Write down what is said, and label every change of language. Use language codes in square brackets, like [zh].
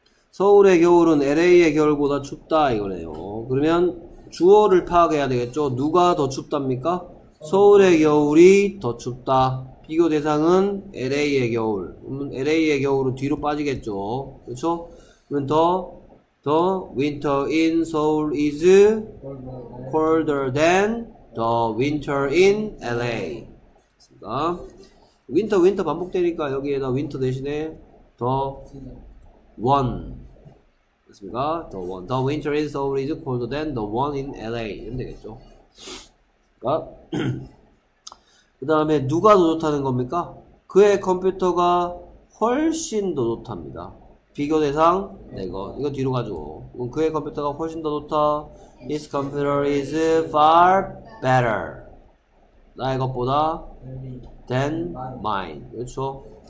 [ko] 서울의 겨울은 LA의 겨울보다 춥다 이거네요. 그러면 주어를 파악해야 되겠죠. 누가 더 춥답니까? 서울의 겨울이 더 춥다. 비교 대상은 LA의 겨울. 그러면 LA의 겨울은 뒤로 빠지겠죠. 그렇죠? 그러면 [en] The winter in Seoul is colder than the winter in LA. [ko] 됐습니다. Winter 반복되니까 여기에다 winter 대신에 [en] the one. [ko] 됐습니까? [en] The one. The winter in Seoul is colder than the one in LA. [ko] 이러면 되겠죠. 됐습니까? 그 다음에 누가 더 좋다는 겁니까? 그의 컴퓨터가 훨씬 더 좋답니다. 비교 대상 내 거. 이거 뒤로 가죠. 그의 컴퓨터가 훨씬 더 좋다. [en] His computer is far better. [ko] 나의 것보다 [en] than mine. [ko] 그렇죠?